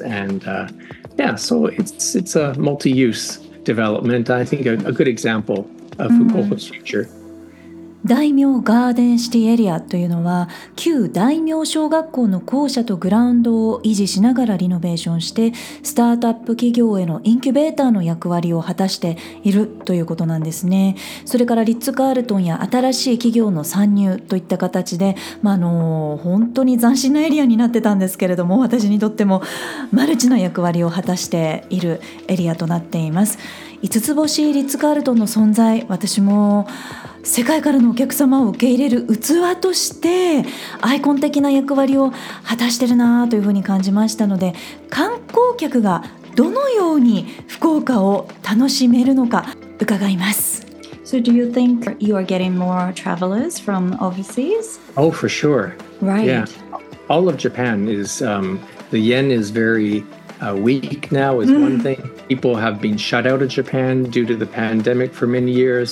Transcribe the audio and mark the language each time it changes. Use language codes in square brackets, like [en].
[en] And so it's a multi-use development. I think a good example of Fukuoka's future. [ja] 大名ガーデンシティエリアというのは、旧大名小学校の校舎とグラウンドを維持しながらリノベーションして、スタートアップ企業へのインキュベーターの役割を果たしているということなんですね。それからリッツ・カールトンや新しい企業の参入といった形で、本当に斬新なエリアになってたんですけれども、私にとってもマルチな役割を果たしているエリアとなっています。 5つ星リッツ・カールトンの存在、私も世界からのお客様を受け入れる器としてアイコン的な役割を果たしてるなというふうに感じましたので、観光客がどのように福岡を楽しめるのか伺います。 [en] So do you think you are getting more travelers from overseas? Oh, for sure. Right. Yeah. All of Japan is, the yen is very weak now is one thing. People have been shut out of Japan due to the pandemic for many years.